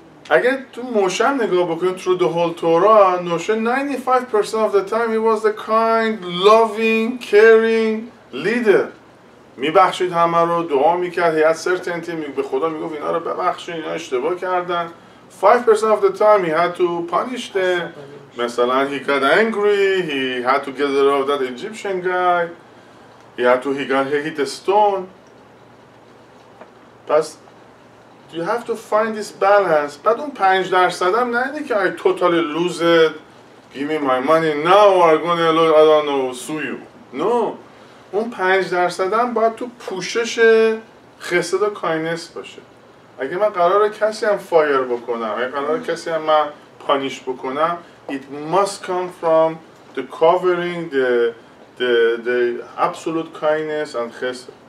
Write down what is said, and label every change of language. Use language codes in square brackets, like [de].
[fa] اگه تو موشم نگاه بکنیم [en] through the whole Torah, نوشه 95% of the time he was the kind, loving, caring leader. [fa] میبخشید همه رو, دعا میکرد, هیت سرتنتی, به خدا میگفت اینا رو ببخشید, اینا اشتباه کردن, [en] 5% of the time he had to punish them. مثلا he got angry, he had to get rid of that Egyptian guy. He had to hit a stone. پس you have to find this balance. [fa] بعد اون 5% هم نه اینه که [en] I totally lose it. Give me my money now or I'm gonna look, I don't know, sue you. No. [fa] اون 5% هم باید تو پوشش خسد و کاینس باشه. اگه من قراره کسی هم فایر بکنم، اگه قراره کسی هم من پانیش بکنم، [en] it must come from the covering the absolute kindness and chesed.